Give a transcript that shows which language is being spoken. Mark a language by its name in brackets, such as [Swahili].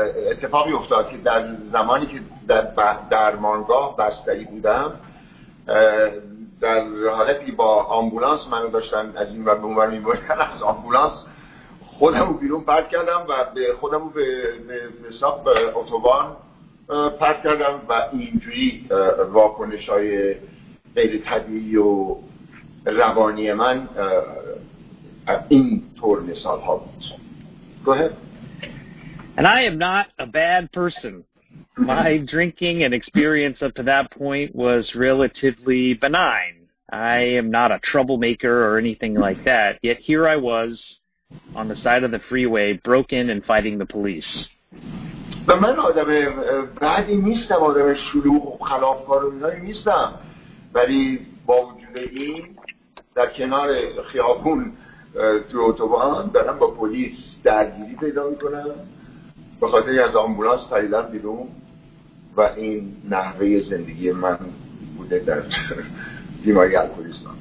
[Persian] اتفاقی افتاد که در زمانی که در درمانگاه بستری بودم در حالتی با آمبولانس منو داشتن از این ور به اون ور می‌بردن از آمبولانس خودم رو بیرون پرت کردم و به خودم رو به ساق اتوبان پرت کردم و اینجوری واکنش‌های غیر طبیعی و روانی من این طور مثال‌ها بود. [English] Go ahead. And I am not a bad person. My drinking and experience up to that point was relatively benign. I am not a troublemaker or anything like that. Yet here I was on the side of the freeway, broken and fighting the police. [Persian] But من آدم بعدی نیستم، آدم شلوغ و خلافکار و اینایی نیستم. ولی با وجود این در کنار خیابون تو اتوبان دارم با پلیس درگیری پیدا می‌کنم. به خاطر از آمبولانس پریدم بیرون و این نحوه زندگی من بوده در بیماری الکلیسم.